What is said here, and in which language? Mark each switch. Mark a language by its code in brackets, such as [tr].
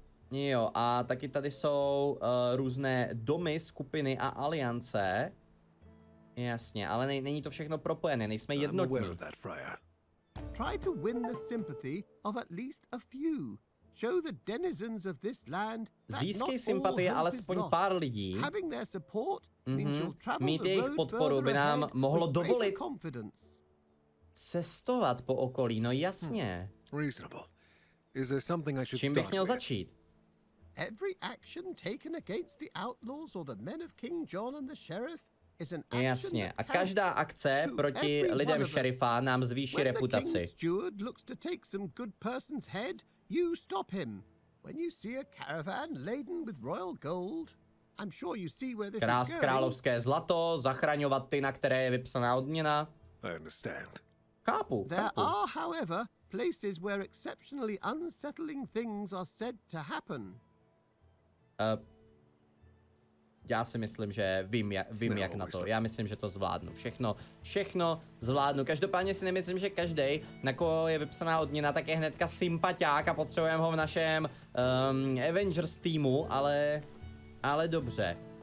[cs] Jo, a taky tady jsou různé domy, skupiny a aliance. Jasně, ale není to všechno propojené, nejsme jednotní. [en] Try to win the sympathy of at least a few. Show the denizens of this land that [cs] alespoň pár lidí. [en] Having their support means you'll travel. [cs] Mít jejich podporu by nám mohlo dovolit cestovat po okolí. No jasně. [en] Reasonable. Is there something I should start? [cs] S čím bych měl začít? [en] Every action taken against the outlaws or the men of King John and the sheriff is an action. [cs] Jasně, a každá akce proti lidem šerifa nám zvýší reputaci. [en] When the steward looks to take some good person's head, you stop him. When you see a caravan laden with royal gold, I'm sure you see where this is going. [cs] Královské zlato, zachraňovat ty, na které je vypsaná odměna. [en] I understand. [cs] Kápu. [en] There are, however, places where exceptionally unsettling things are said to happen. [cs] Já si myslím, že vím jak na to. Já myslím, že to zvládnu. Všechno zvládnu. Každopádně si nemyslím, že každý, na koho je vypsaná odměna, tak je hnedka sympaťák a potřebujeme ho v našem Avengers týmu, ale dobře.